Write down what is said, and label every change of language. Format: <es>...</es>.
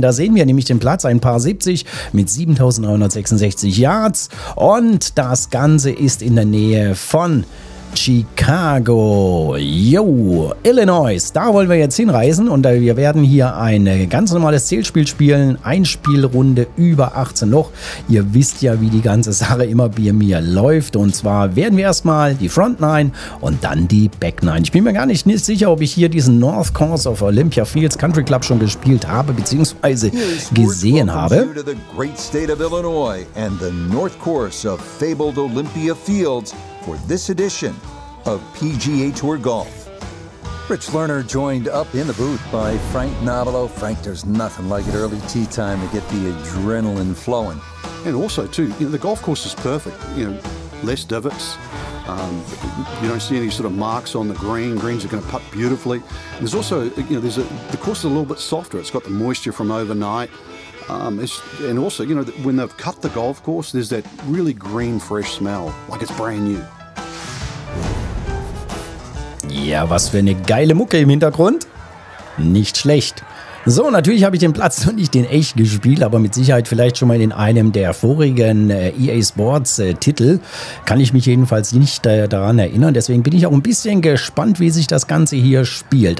<de>Da sehen wir nämlich den Platz, ein paar 70 mit 7.966 Yards und das Ganze ist in der Nähe von Chicago, yo, Illinois, da wollen wir jetzt hinreisen und wir werden hier ein ganz normales Zählspiel spielen, Einspielrunde über 18 Loch. Ihr wisst ja, wie die ganze Sache immer bei mir läuft und zwar werden wir erstmal die Front 9 und dann die Back 9. Ich bin mir gar nicht sicher, ob ich hier diesen North Course of Olympia Fields Country Club schon gespielt habe bzw. gesehen habe.</de> <en>Welcome to the great state of Illinois and the North Course of fabled Olympia Fields. For this edition of PGA Tour Golf. Rich Lerner joined up in the booth by Frank Navolo. Frank, there's nothing like an early tee time to get the adrenaline flowing. And also too, you know, the golf course is perfect. You know, less divots. You don't see any sort of marks on the green. Greens are going to putt beautifully. And there's also, you know, the course is a little bit softer. It's got the moisture from overnight. And also, you know, when they've cut the golf course, there's that really green, fresh smell, like it's brand new.</en> <de>Ja, was für eine geile Mucke im Hintergrund. Nicht schlecht. So, natürlich habe ich den Platz noch nicht in echt gespielt, aber mit Sicherheit vielleicht schon mal in einem der vorigen EA Sports Titel. Kann ich mich jedenfalls nicht daran erinnern. Deswegen bin ich auch ein bisschen gespannt, wie sich das Ganze hier spielt.</de>